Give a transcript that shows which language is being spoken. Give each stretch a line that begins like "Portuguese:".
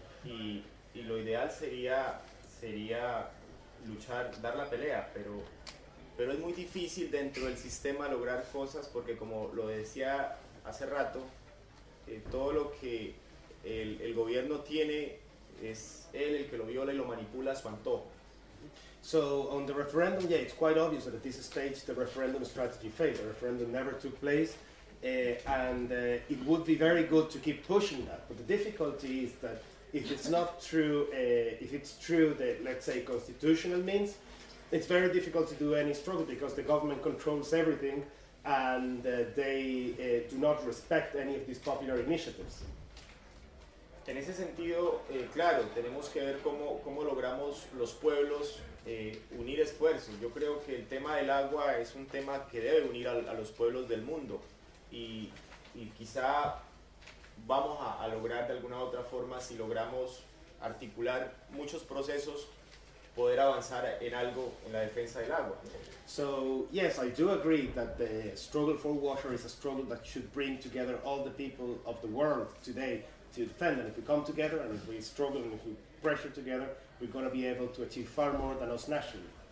Spanish: Y lo ideal sería luchar, dar la pelea, pero es muy difícil dentro del sistema lograr cosas porque, como lo decía hace rato, todo lo que el gobierno tiene es él el que lo viola y lo manipula a su antojo.
English: So on the referendum, yeah, it's quite obvious that at this stage the referendum strategy failed. The referendum never took place. It would be very good to keep pushing that, but the difficulty is that if it's not true, if it's true that, let's say, constitutional means, it's very difficult to do any struggle because the government controls everything and they do not respect any of these popular initiatives.
Spanish: En ese sentido, claro, tenemos que ver cómo logramos los pueblos unir esfuerzos. Yo creo que el tema del agua es un tema que debe unir a los pueblos del mundo. Y quizá vamos a lograr de alguna u otra forma, si logramos articular muchos procesos poder avanzar en algo en la defensa del agua.
English: So yes, I do agree that the struggle for water is a struggle that should bring together all the people of the world today to defend. And if we come together and if we struggle and if we pressure together, we're going to be able to achieve far more than us nationally.